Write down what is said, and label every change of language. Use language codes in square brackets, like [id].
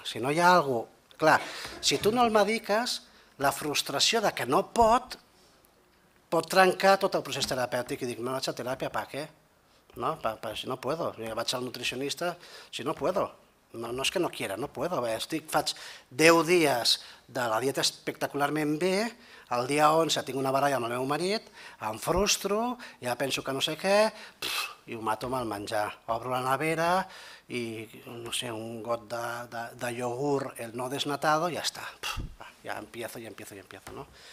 [ca] Si no hi ha algú, clar, si tu no el mediques, la frustració de que no pot trencar tot el procés terapèutic i dic, no vaig a teràpia, pa, què? [es] No, si no puedo, [ca] vaig al nutricionista, [es] si no puedo, [ca] no és que [es] no quiera, no puedo. [ca] Faig 10 dies de la dieta espectacularment bé, el dia 11 tinc una baralla amb el meu marit, em frustro, ja penso que no sé què, i ho mato amb el menjar. Obro la nevera i no sé, un got de iogurt [es] el no desnatado [ca] i ja està. [es] Ja empiezo. [ca] No?